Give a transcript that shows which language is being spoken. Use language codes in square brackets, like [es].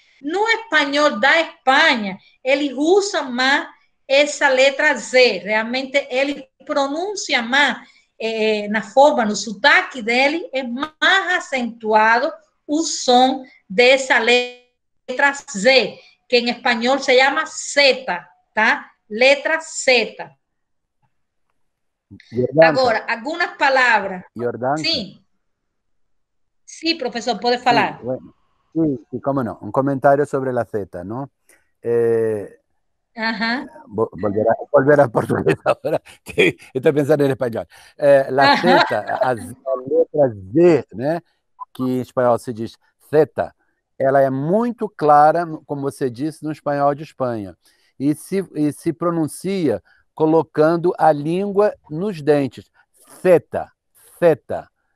[pt] No espanhol da Espanha, eles usam mais essa letra Z, realmente eles pronuncia mais na forma, no sotaque dele, é mais acentuado o som dessa letra Z, que em espanhol se chama Z, tá? Letra Z. Agora, algumas palavras. Jordan? Sim. Sim, professor, pode falar. Sim, [es] bueno. Sí, sí, cómo no. Un comentario sobre la Z, ¿no? Ajá. Volver a portugués ahora, que estoy pensando en español. La Z, la letra Z, ¿no? Que en español se dice Z, [pt] ela é muito clara, como você disse, no espanhol de Espanha. E se pronuncia colocando a língua nos dentes. Zeta, zeta.